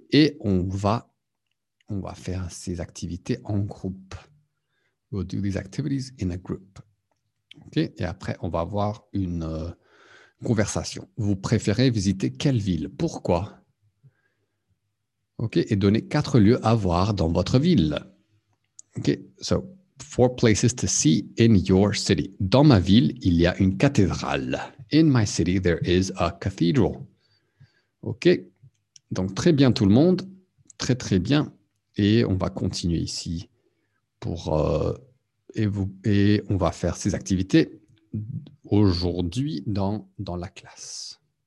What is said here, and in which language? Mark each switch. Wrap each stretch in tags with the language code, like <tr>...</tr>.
<fr>Et on va faire ces activités en groupe.</fr> <en>We'll do these activities in a group. OK.</en> <fr>Et après, on va avoir une conversation. Vous préférez visiter quelle ville? Pourquoi? OK, et donner 4 lieux à voir dans votre ville.</fr> <en>OK, so 4 places to see in your city.</en> <fr>Dans ma ville, il y a une cathédrale.</fr> <en>In my city, there is a cathedral.</en> <fr>OK, donc très bien tout le monde. Très, très bien. Et on va continuer ici pour... et on va faire ces activités aujourd'hui dans la classe.</fr>